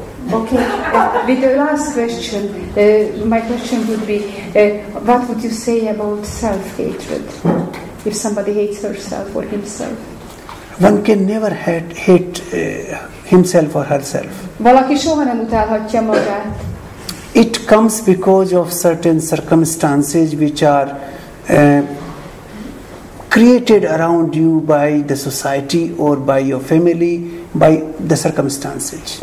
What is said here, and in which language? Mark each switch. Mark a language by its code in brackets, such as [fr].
[en] Okay, with the last question, my question would be, what would you say about self-hatred, if somebody hates herself or himself? One can never hate himself or herself. [hu] Valaki soha nem utálhatja magát. [en] It comes because of certain circumstances which are created around you by the society or by your family, by the circumstances.